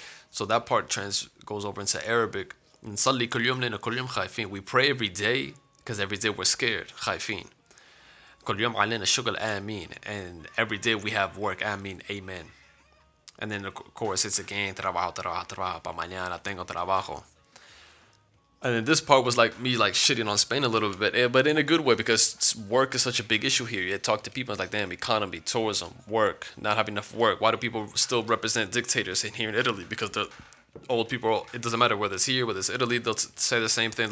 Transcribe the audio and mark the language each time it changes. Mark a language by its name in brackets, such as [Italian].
[English] So that part goes over into Arabic. We pray every day because every day we're scared. And every day we have work. Amen. Amen. And then, of course, it's again, [Spanish] trabajo, trabajo, trabajo. Pa mañana tengo trabajo. [English] And then this part was like me like shitting on Spain a little bit, but in a good way, because work is such a big issue here. You talk to people, it's like, damn, economy, tourism, work, not having enough work. Why do people still represent dictators in here in Italy? Because the old people, it doesn't matter whether it's here, whether it's Italy, they'll say the same thing.